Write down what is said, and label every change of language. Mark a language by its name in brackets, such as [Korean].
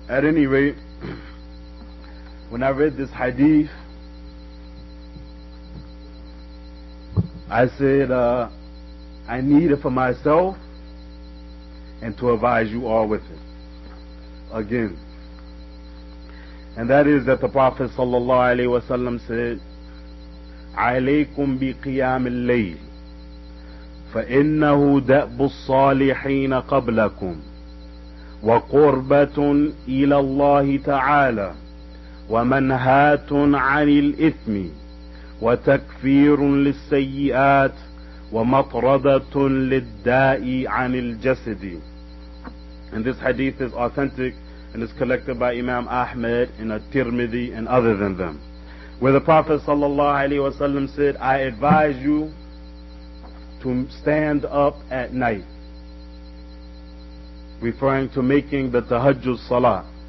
[English] At any rate, when I read this hadith, I said, I need it for myself and to advise you all with it. Again. And that is that the Prophet sallallahu alayhi wa sallam said, [Arabic] عليكم بقيام الليل فإنه دأب الصالحين قبلكم وقربة إلى الله تعالى ومنهات عن الإثم وتكفير للسيئات ومطردة للداء عن الجسد. [English] And this hadith is authentic and is collected by Imam Ahmed and At-Tirmidhi and other than them, where the Prophet sallallahu alaihi wasallam said, I advise you to stand up at night, referring to making the tahajjud salah.